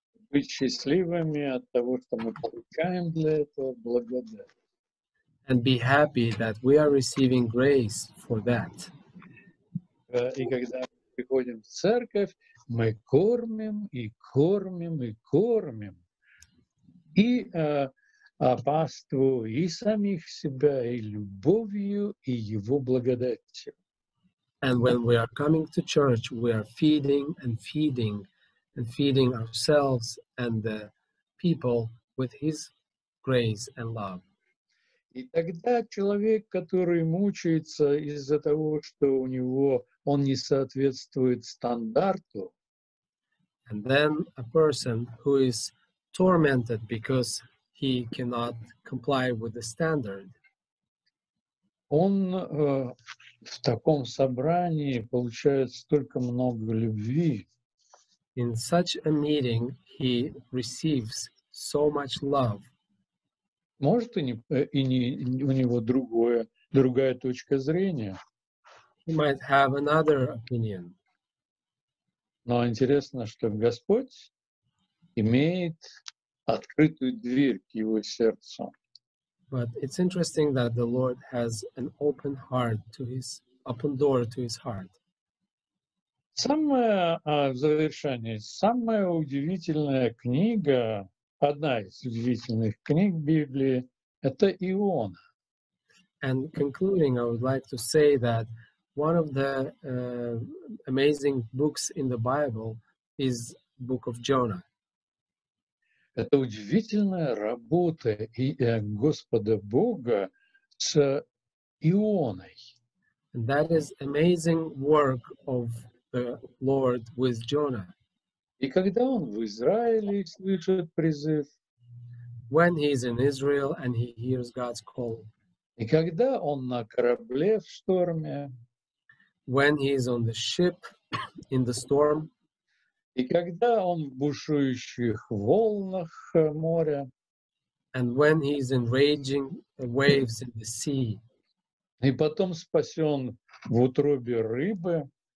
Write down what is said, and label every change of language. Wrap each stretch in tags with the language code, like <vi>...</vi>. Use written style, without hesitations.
<ru>Быть счастливыми от того, что мы получаем для этого благодать.</ru> <en>And be happy that we are receiving grace for that.</en> <ru>И когда мы приходим в церковь, мы кормим и кормим и кормим и паству, и самих себя, и любовью, и его благодатью.</ru> <en>And when we are coming to church, we are feeding and feeding and feeding ourselves and the people with his grace and love.</en> <ru>И тогда человек, который мучается из-за того, что у него он не соответствует стандарту,</ru> <en>and then a person who is tormented because he cannot comply with the standard,</en> <ru>он в таком собрании получает столько много любви.</ru> <en>In such a meeting, he receives so much love.</en> <ru>Может, и не у него другая точка зрения.</ru> <en>He might have another opinion.</en> <ru>Но интересно, что Господь имеет открытую дверь к его сердцу.</ru> <en>But it's interesting that the Lord has an open heart to his open door to his heart.</en> <ru>Самое в завершении, самая удивительная книга, одна из удивительных книг Библии, это Иона.</ru> <en>And concluding, I would like to say that one of the amazing books in the Bible is Book of Jonah.</en> <ru>Это удивительная работа Господа Бога с Ионой.</ru> <en>And that is amazing work of the Lord with Jonah.</en> <ru>И когда он в Израиле слышит призыв,</ru> <en>when he is in Israel and he hears God's call,</en> <ru>и когда он на корабле в шторме,</ru> <en>when he is on the ship in the storm,</en> <ru>и когда он в бушующих волнах моря,</ru> <en>and when he is in raging waves in the sea,</en> <ru>и потом спасен в утробе рыбы,</ru>